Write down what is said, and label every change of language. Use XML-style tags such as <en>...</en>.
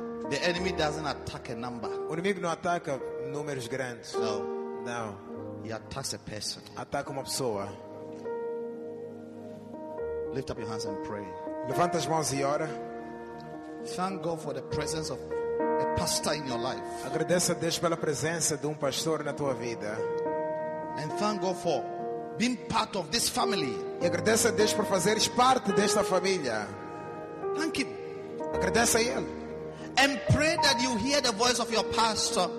<en>The enemy doesn't attack a number.</en> <pt>O inimigo não ataca números grandes.</pt> <en>No.</en> <pt>No.</pt> <en>He attacks a person.</en> <pt>Ataca uma pessoa.</pt> <en>Lift up your hands and pray.</en> <pt>Levanta as mãos e ora.</pt> <en>Thank God for the presence of a pastor in your life.</en> <pt>Agradeça a Deus pela presença de pastor na tua vida.</pt> <en>And thank God for being part of this family.</en> <pt>E agradeça a Deus por fazeres parte desta família.</pt> <en>Thank him.</en> <pt>Agradeça a ele.</pt> <en>And pray that you hear the voice of your pastor.</en>